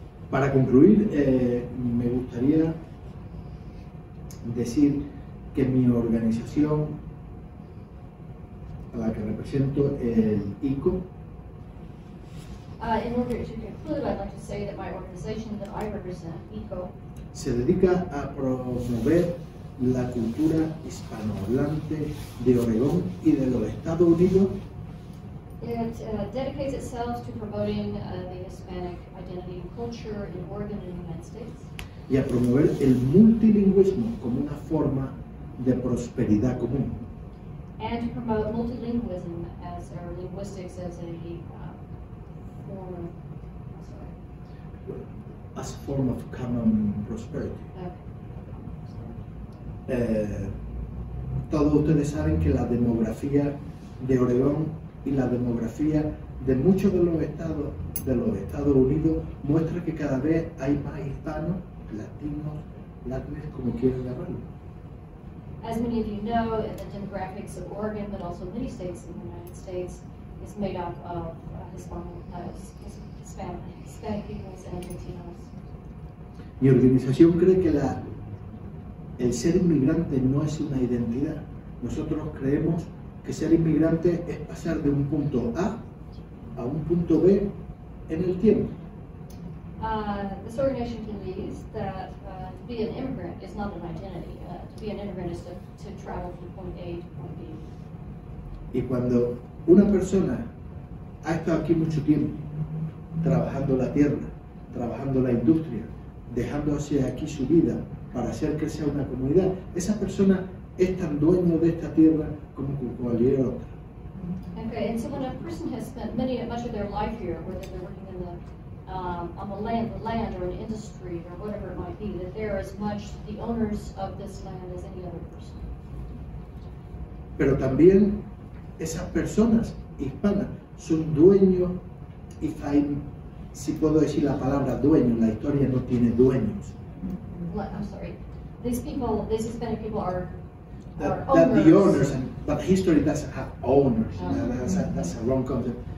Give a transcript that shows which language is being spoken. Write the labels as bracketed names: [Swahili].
[Spanish] Para concluir, me gustaría decir que mi organización, a la que represento, el ICO. [English] In order to conclude, I'd like to say that my organization that I represent, ICO, [Spanish] se dedica a promover la cultura hispanohablante de Oregón y de los Estados Unidos. [English] It dedicates itself to promoting the Hispanic identity and culture in Oregon and the United States. [Spanish] Y a promover el multilingüismo como una forma de prosperidad común. [English] And to promote multilingualism as or linguistics as a form. Sorry. As a form of common prosperity. Okay. [Spanish] Todos ustedes saben que la demografía de Oregón y la demografía de muchos de los Estados Unidos muestra que cada vez hay más hispanos, latinos, latines, como quieran llamarlo. [English] As many of you know, the demographics of Oregon, but also many states in the United States, is made up of Hispanic peoples and Latinos. [Spanish] Mi organización cree que el ser inmigrante no es una identidad. Nosotros creemos que ser inmigrante es pasar de un punto A a un punto B en el tiempo. [English] This organization believes that to be an immigrant is not an identity. To be an immigrant is to travel from point A to point B. [Spanish] Y cuando una persona ha estado aquí mucho tiempo, trabajando la tierra, trabajando la industria, dejándose aquí su vida para hacer crecer una comunidad, esa persona es tan dueño de esta tierra como cualquier otra. [English] Okay, and so when a person has spent much of their life here, whether they're working in the on the land or an industry or whatever it might be, that they're as much the owners of this land as any other person. [Spanish] Pero también esas personas hispanas son dueños, si puedo decir la palabra dueño, la historia no tiene dueños. [English] I'm sorry. These Hispanic people are The owners, but history doesn't have owners. That's a wrong concept.